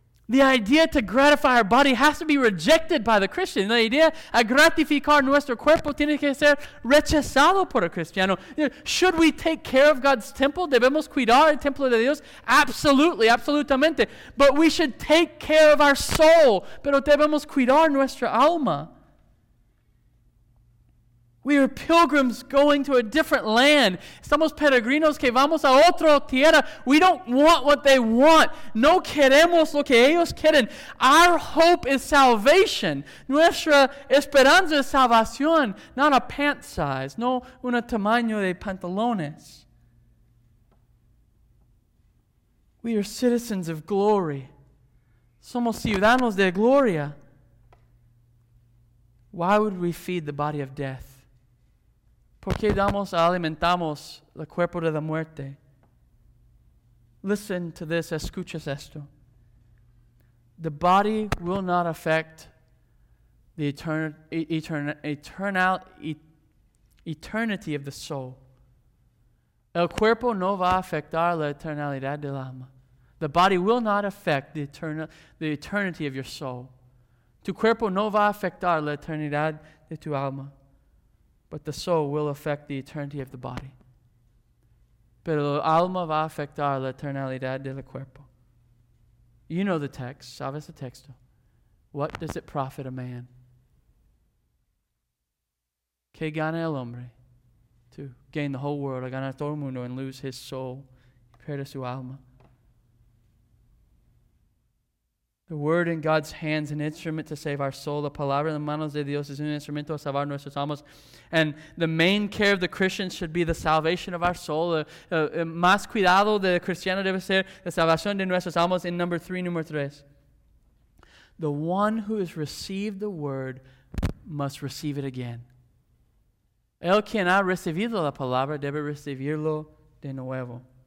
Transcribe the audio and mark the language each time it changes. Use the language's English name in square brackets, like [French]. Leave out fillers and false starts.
[English] The idea to gratify our body has to be rejected by the Christian. [Spanish] La idea a gratificar nuestro cuerpo tiene que ser rechazado por el cristiano. [English] Should we take care of God's temple? [Spanish] ¿Debemos cuidar el templo de Dios? [English] Absolutely, [Spanish] absolutamente. [English] But we should take care of our soul. [Spanish] Pero debemos cuidar nuestra alma. [English] We are pilgrims going to a different land. [Spanish] Estamos peregrinos que vamos a otra tierra. [English] We don't want what they want. [Spanish] No queremos lo que ellos quieren. [English] Our hope is salvation. [Spanish] Nuestra esperanza es salvación. [English] Not a pant size. [Spanish] No un tamaño de pantalones. [English] We are citizens of glory. [Spanish] Somos ciudadanos de gloria. [English] Why would we feed the body of death? [Spanish] ¿Por qué damos alimentamos el cuerpo de la muerte? [English] Listen to this, [Spanish] escuchas esto. [English] The body will not affect the eternity of the soul. [Spanish] El cuerpo no va a afectar la eternalidad del alma. [English] The body will not affect the eternity of your soul. [Spanish] Tu cuerpo no va a afectar la eternidad de tu alma. [English] But the soul will affect the eternity of the body. [Spanish] Pero el alma va a afectar la eternidad del cuerpo. [English] You know the text, [Spanish] sabes el texto. [English] What does it profit a man? [Spanish] ¿Qué gana el hombre? [English] To gain the whole world, [Spanish] a ganar todo el mundo, [English] and lose his soul, [Spanish] perder su alma. [English] The word in God's hands, an instrument to save our soul. [Spanish] La palabra en las manos de Dios es un instrumento a salvar nuestras almas. [English] And the main care of the Christian should be the salvation of our soul. [Spanish] Más cuidado de cristiano debe ser la salvación de nuestras almas. [English] In number three, [Spanish] número tres. [English] The one who has received the word must receive it again. [Spanish] El quien ha recibido la palabra debe recibirlo de nuevo.